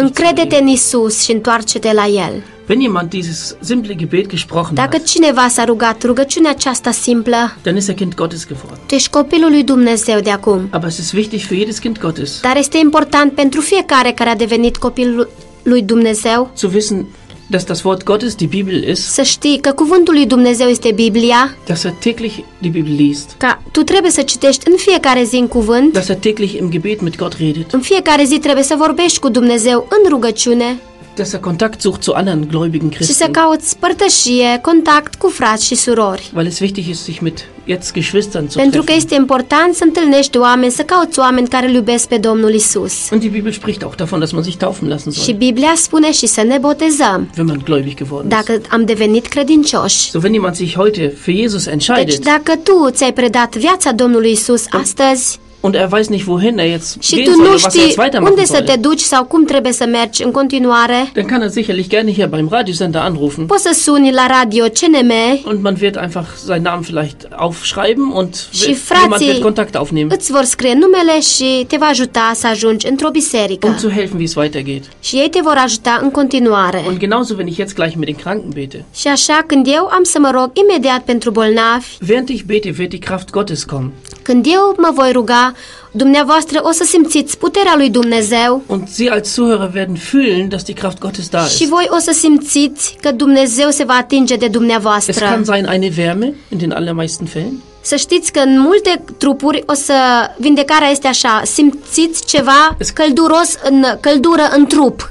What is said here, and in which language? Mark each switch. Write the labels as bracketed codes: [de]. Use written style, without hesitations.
[ro] Încrede-te în Iisus și întoarce-te la El. [de] Wenn jemand dieses simple Gebet gesprochen hat. [ro] Dacă cineva s-a rugat rugăciunea aceasta simplă. [de] Dann ist er Kind Gottes geworden. [ro] Tu ești copilul lui Dumnezeu de acum. [de] Aber es ist wichtig für jedes Kind Gottes. [ro] Dar este important pentru fiecare care a devenit copilul lui Dumnezeu. [de] Zu wissen, dass das Wort Gottes die Bibel ist. [ro] Să știi că cuvântul lui Dumnezeu este Biblia. [de] Dass er täglich die Bibel liest. [ro] Ca tu trebuie să citești în fiecare zi în cuvânt. [de] Dass er täglich im Gebet mit Gott redet. [ro] În fiecare zi trebuie să vorbești cu Dumnezeu în rugăciune. [de] Dass er Kontakt sucht zu anderen gläubigen Christen. [ro] Și să caute părtășie, contact cu frați și surori. [de] Weil es wichtig ist, sich mit jetzt Geschwistern zu treffen. [ro] Pentru că este important să întâlnești oameni, să cauți oameni care îl iubesc pe Domnul Isus. [de] Und die Bibel spricht auch davon, dass man sich taufen lassen soll. [ro] Și Biblia spune și să ne botezăm. [de] Wenn man gläubig geworden ist. [ro] Dacă am devenit credincioși. [de] So wenn jemand sich heute für Jesus entscheidet. [ro] Deci dacă tu ți-ai predat viața Domnului Isus astăzi. [de] Und er weiß nicht wohin er jetzt gehen soll, was er jetzt weitermachen [ro] unde [de] soll. [ro] Să te duci sau cum trebuie să mergi în continuare. [de] Dann kann er sicherlich gerne hier beim Radiosender anrufen. [ro] Poți să suni la radio CNM. [de] Und man wird einfach seinen Namen vielleicht aufschreiben und jemand wird Kontakt aufnehmen. [ro] Îți vor scrie numele și te va ajuta să ajungi într-o biserică. [de] Um zu helfen, wie es weitergeht. [ro] Și ei te vor ajuta în continuare. [de] Und genauso, wenn ich jetzt gleich mit den Kranken bete. [ro] Și așa când eu am să mă rog imediat pentru bolnavi. [de] Während ich bete, wird die Kraft Gottes kommen. [ro] Când eu mă voi ruga, dumneavoastră o să simțiți puterea lui Dumnezeu. [de] Und Sie als Zuhörer werden fühlen, dass die Kraft Gottes da ist. [ro] Și voi o să simțiți că Dumnezeu se va atinge de dumneavoastră. [de] Es kann sein eine Wärme in den allermeisten Fällen. [ro] Să știți că în multe trupuri o să vindecarea este așa, simțiți ceva călduros în căldură în trup.